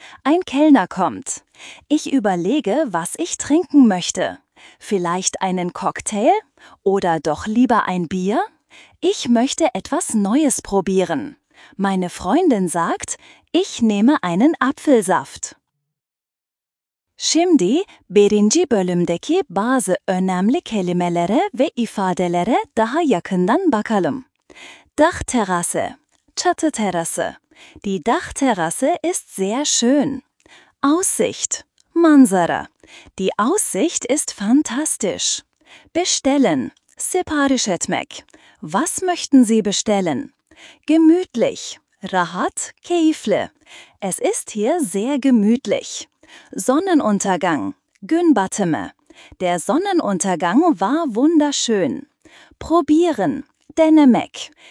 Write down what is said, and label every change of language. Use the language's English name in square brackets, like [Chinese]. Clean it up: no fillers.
[German] Ein Kellner kommt. Ich überlege, was ich trinken möchte. Vielleicht einen Cocktail? Oder doch lieber ein Bier? Ich möchte etwas Neues probieren. Meine Freundin sagt, ich nehme einen Apfelsaft. [Turkish] Şimdi birinci bölümdeki bazı önemli kelimelere ve ifadelere daha yakından bakalım. Dachterrasse, çatı terası. [German] Die Dachterrasse ist sehr schön. Aussicht, [Turkish] manzara. [German] Die Aussicht ist fantastisch. [Turkish] Bestellen, sipariş etmek. [German] Was möchten Sie bestellen? Gemütlich, [Turkish] rahat, keyifli. [German] Es ist hier sehr gemütlich. Sonnenuntergang, [Turkish] gün batımı. [German] Der Sonnenuntergang war wunderschön. Probieren, [Turkish] denemek.